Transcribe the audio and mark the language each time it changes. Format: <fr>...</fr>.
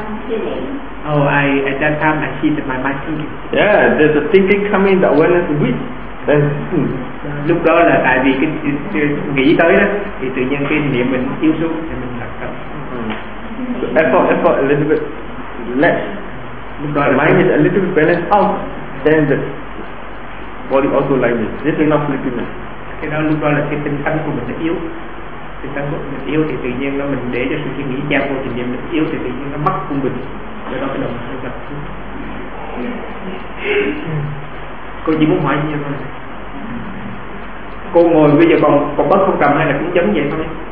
<en>Oh, I at that time I see that my mind thinking. Yeah, there's a thinking coming, the awareness is weak. Then,</en> <vi>lúc đó là tại vì cái nghĩ tới đó thì tự nhiên cái niệm mình yếu xuống thì mình lật tập.</vi> <en>So effort a little bit less.</en> <vi>Lúc đó</vi> <en>the mind is a little bit balanced out, then the body also like this. This is not sleepiness.</en> <vi>Cái đó lúc đó là cái tinh thần của mình nó yếu. Tinh thần của mình yếu thì tự nhiên nó mình để cho sự nghĩ gia vô thì niệm mình yếu thì tự nhiên nó mất cung bình. Do đó cái đầu mình lật tập. Cô chỉ muốn hỏi như vậy thôi. Cô ngồi bây giờ còn bớt không cầm hay là cũng chấm vậy thôi?</vi>